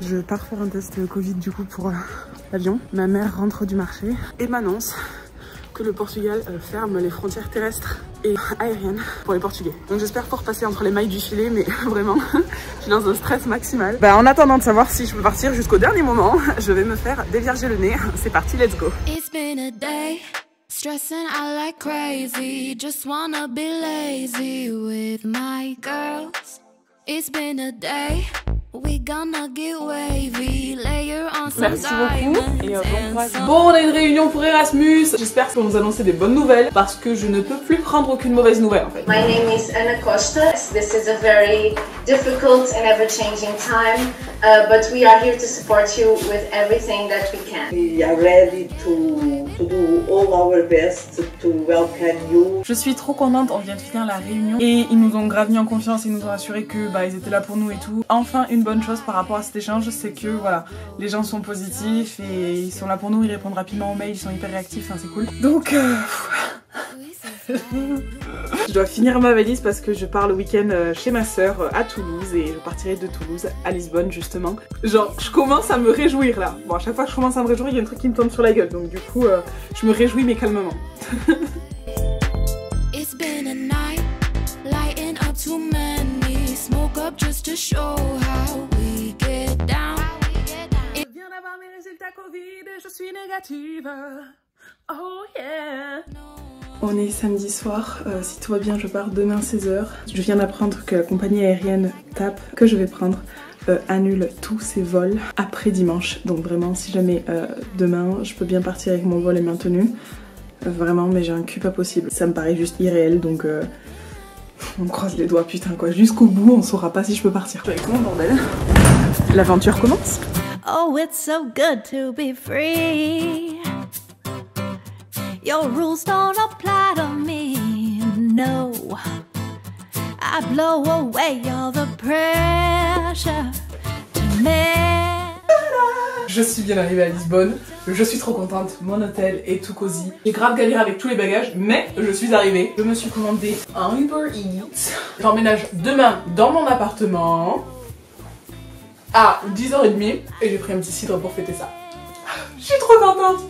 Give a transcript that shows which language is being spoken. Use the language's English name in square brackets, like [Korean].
[French] Je pars faire un test Covid du coup pour l'avion. Ma mère rentre du marché et m'annonce que le Portugal ferme les frontières terrestres et aériennes pour les Portugais. Donc j'espère pouvoir passer entre les mailles du filet, mais vraiment, je suis dans un stress maximal. Bah, en attendant de savoir si je peux partir jusqu'au dernier moment, je vais me faire dévierger le nez. C'est parti, [English] let's go! It's been a day, stressing out like crazy. Just wanna be lazy with my girls. It's been a day, we gonna get wavy, layer on some diamonds. [French] Merci beaucoup, et bon, on a une réunion pour Erasmus. J'espère qu'on va vous annoncer des bonnes nouvelles, parce que je ne peux plus prendre aucune mauvaise nouvelle, en fait. [English] My name is Ana Costa. This is a very difficult and ever-changing time, but we are here to support you with everything that we can. We are ready to do all our best to welcome you. [French] Je suis trop contente, on vient de finir la réunion, et ils nous ont grave mis en confiance, ils nous ont assuré que bah, ils étaient là pour nous et tout. Enfin, une bonne chose par rapport à cet échange, c'est que voilà, les gens sont positifs et ils sont là pour nous, ils répondent rapidement aux mails, ils sont hyper réactifs, hein, c'est cool. Donc Je dois finir ma valise parce que je pars le week-end chez ma sœur à Toulouse et je partirai de Toulouse à Lisbonne justement. Genre, je commence à me réjouir là. Bon, à chaque fois que je commence à me réjouir, il y a un truc qui me tombe sur la gueule. Donc du coup, je me réjouis mais calmement. [English] It's been a night, lighting up too many, smoke up just to show how we get down. [French] Je viens d'avoir mes résultats Covid et je suis négative. Oh yeah. On est samedi soir, si tout va bien je pars demain 16h. Je viens d'apprendre que la compagnie aérienne TAP que je vais prendre annule tous ses vols après dimanche. Donc vraiment si jamais demain je peux bien partir avec mon vol et maintenu. Vraiment, mais j'ai un cul pas possible. Ça me paraît juste irréel, donc on croise les doigts, putain quoi. Jusqu'au bout, on saura pas si je peux partir. Avec moi, bordel. L'aventure commence. [English] Oh, it's so good to be free. Your rules don't apply to me, no. I blow away all the pressure to me. [French] Je suis bien arrivée à Lisbonne, je suis trop contente, mon hôtel est tout cosy. J'ai grave galéré avec tous les bagages, mais je suis arrivée. Je me suis commandé un Uber Eats. J'emménage demain dans mon appartement à 10h30 et j'ai pris un petit cidre pour fêter ça. Je suis trop contente.